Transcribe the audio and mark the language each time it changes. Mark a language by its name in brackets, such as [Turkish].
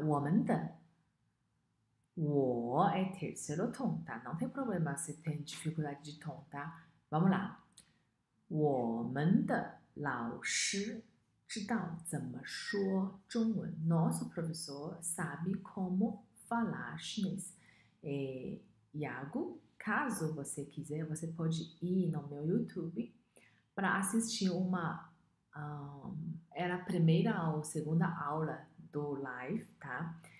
[Portuguese] 我们的, 我 é terceiro tom, tá? Não tem problema se tem dificuldade de tom, tá? Vamos lá. [Chinese] 我们的老师知道怎么说中文. [Portuguese] Nosso professor sabe como falar chinês. E, Iago, caso você quiser, você pode ir no meu YouTube para assistir uma... era a primeira ou segunda aula do live, tá?